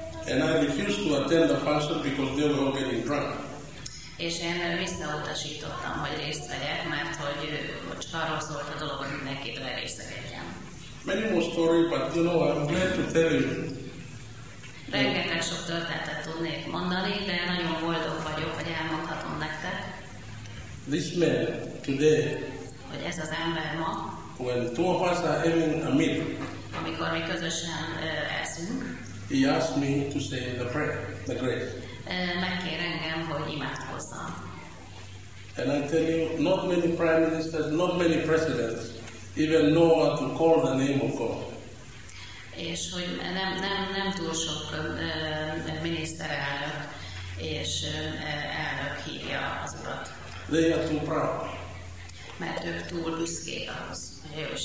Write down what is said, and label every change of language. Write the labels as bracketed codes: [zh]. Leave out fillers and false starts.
[en] And I refused to attend the function because they were all getting drunk. [hu] És én visszautasítottam, hogy részt vegyek, mert hogy csak arról szólt a dolog, hogy mindenki belerészegedjen. [en] Many more stories, but you know, I'm glad to tell you. [hu] Rengeteg sok történetet tudnék mondani, de nagyon boldog vagyok, hogy elmondhatom nektek. [en] This man today, [hu] hogy ez az ember ma, [en] when two of us are having a meal, [hu] amikor mi közösen eszünk, [en] he asked me to say the prayer, the grace. [hu] Megkér engem, hogy imádkozzam. [en] And I tell you, not many prime ministers, not many presidents even know how to call the name of God. [hu] És hogy nem túl sok miniszterelnök és elnök hívja az Urat. [en] They are too proud. [hu] Mert ők túl büszkék ahhoz, hogy